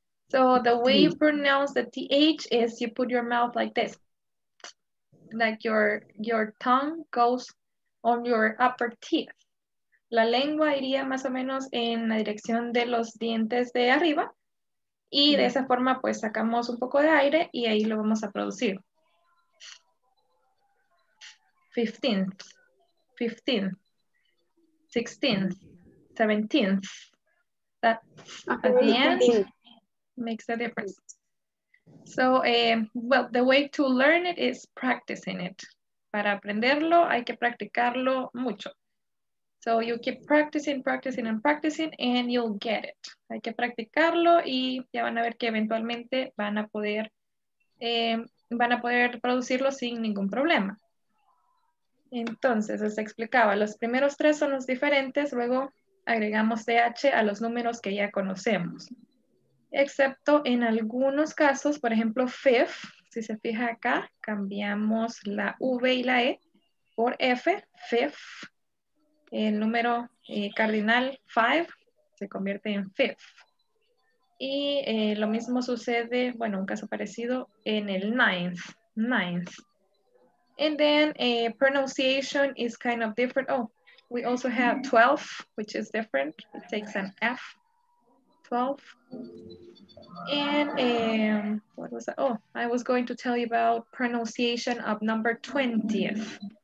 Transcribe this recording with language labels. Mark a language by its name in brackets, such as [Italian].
[English] So the way you pronounce the TH is you put your mouth like this, like your tongue goes on your upper teeth. [Spanish] La lengua iría más o menos en la dirección de los dientes de arriba. Y de esa forma, pues, sacamos un poco de aire y ahí lo vamos a producir. [English] 15th, 15th, 16th, 17th. That, at the end, makes a difference. So, well, the way to learn it is practicing it. [Spanish] Para aprenderlo, hay que practicarlo mucho. [English] So you keep practicing, practicing, and practicing, and you'll get it. [Spanish] Hay que practicarlo y ya van a ver que eventualmente van a poder producirlo sin ningún problema. Entonces, les explicaba, los primeros tres son los diferentes, luego agregamos TH a los números que ya conocemos. Excepto en algunos casos, por ejemplo, fifth, si se fija acá, cambiamos la V y la E por F, fifth. El número cardinal 5 se convierte en 5th. Y lo mismo sucede, bueno, un caso parecido, en el 9th. [English] Ninth. And then pronunciation is kind of different. Oh, We also have 12, which is different. It takes an F, 12. And what was that? Oh, I was going to tell you about pronunciation of number 20th.